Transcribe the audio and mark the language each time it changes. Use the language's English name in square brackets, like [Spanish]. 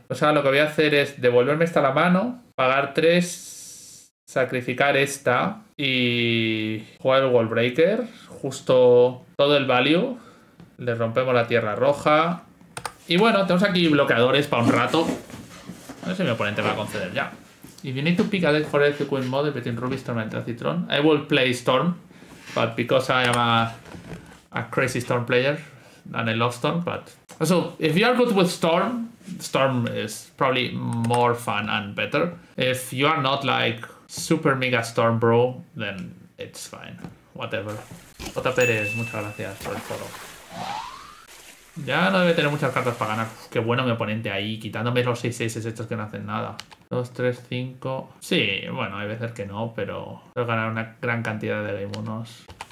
[Spanish] O sea, lo que voy a hacer es devolverme esta a la mano, pagar 3, sacrificar esta y jugar el Wallbreaker. Justo todo el value. Le rompemos la tierra roja. Y bueno, tenemos aquí bloqueadores para un rato. A ver si mi oponente va a conceder ya. [English] If you need to pick a deck for the Queen Mode between Ruby Storm and Transitron, I will play Storm. But because I am a crazy Storm player. And I love Storm, but also if you are good with Storm, Storm is probably more fun and better. If you are not like super mega Storm bro, then it's fine. Whatever. [Spanish] Jota Pérez, muchas gracias por el follow. Ya no debe tener muchas cartas para ganar. Qué bueno mi oponente ahí, quitándome los 6-6 estos que no hacen nada. 2, 3, 5. Sí, bueno, hay veces que no, pero puedo ganar una gran cantidad de game unos.